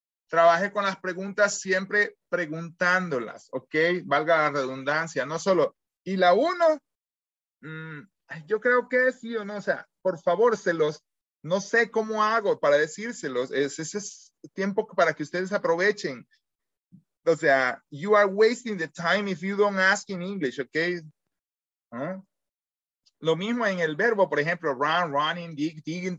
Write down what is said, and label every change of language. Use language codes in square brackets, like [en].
[es] Trabaje con las preguntas siempre preguntándolas, okay? Valga la redundancia, no solo. Y la uno, yo creo que sí o no, o sea, por favor, se los no sé cómo hago para decírselos. Ese es tiempo para que ustedes aprovechen. O sea, [en] you are wasting the time if you don't ask in English, okay? ¿Eh? [es] Lo mismo en el verbo, por ejemplo, run, running, dig, digging.